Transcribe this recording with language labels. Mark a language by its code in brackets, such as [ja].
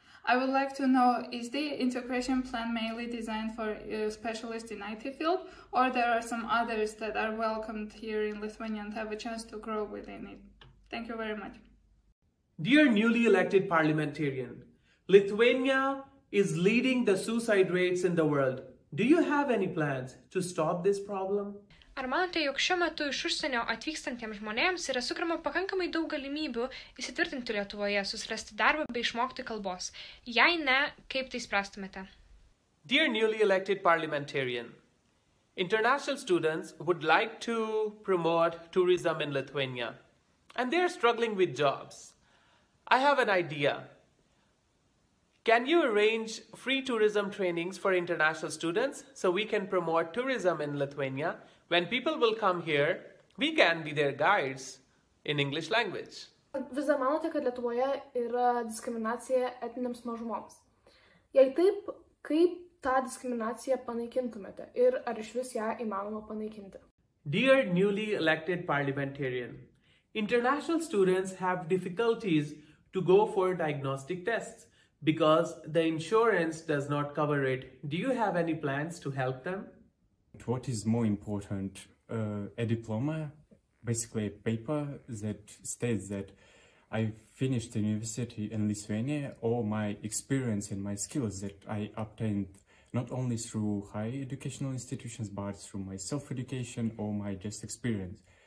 [en] I would like to know, is the integration plan mainly designed for specialists in IT field, or there are some others that are welcomed here in Lithuania and have a chance to grow within it? Thank you very much. Dear newly elected parliamentarian, Lithuania is leading the suicide rates in the world. Do you have any plans to stop this problem? [lt] Ar manote, jog šiuo metu iš užsienio atvykstantiems žmonėms yra sukuriama pakankamai daug galimybių įsitvirtinti Lietuvoje, susirasti darbą bei išmokti kalbos? Jei ne, kaip tai spręstumėte? [en] Dear newly elected parliamentarian, international students would like to promote tourism in Lithuania, and they are struggling with jobs. I have an idea. Can you arrange free tourism trainings for international students so we can promote tourism in Lithuania? When people will come here, we can be their guides in English language. [lt] Vis dar manote, kad Lietuvoje yra diskriminacija etniniams mažumoms? Jei taip, kaip tą diskriminaciją panaikintumėte ir ar iš vis ją įmanoma panaikinti? [en] Dear newly elected parliamentarian, international students have difficulties to go for diagnostic tests because the insurance does not cover it. Do you have any plans to help them? What is more important, a diploma, basically a paper that states that I finished university in Lithuania, or my experience and my skills that I obtained not only through high educational institutions but through my self-education or my just experience?